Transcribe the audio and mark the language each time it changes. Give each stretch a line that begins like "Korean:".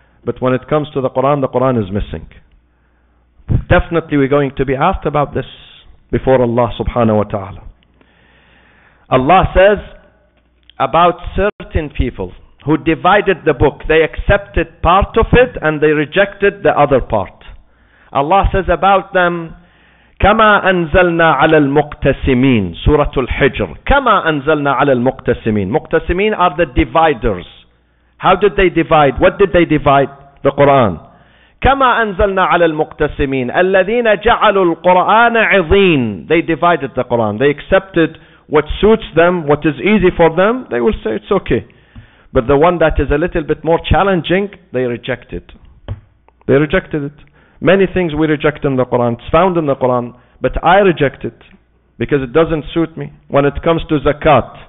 English: But when it comes to the Quran is missing. Definitely we're going to be asked about this before Allah subhanahu wa ta'ala. Allah says about certain people who divided the book. They accepted part of it and they rejected the other part.
Arabic: Allah says about them, كَمَا أَنزَلْنَا عَلَى الْمُقْتَسِمِينَ سورة الحجر كَمَا أَنزَلْنَا عَلَى الْمُقْتَسِمِينَ مُقْتَسِمِينَ
English: are the dividers.
Arabic: How did they divide? What did they divide? The Quran. كَمَا أَنزَلْنَا عَلَى الْمُقْتَسِمِينَ الَّذِينَ جَعَلُوا الْقُرْآنَ عِظِينَ
English: They divided the Quran. They accepted what suits them, what is easy for them. They will say it's okay. But the one that is a little bit more challenging, they rejected. They rejected it. Many things we reject in the Quran, it's found in the Quran, but I reject it because it doesn't suit me. When it comes to zakat,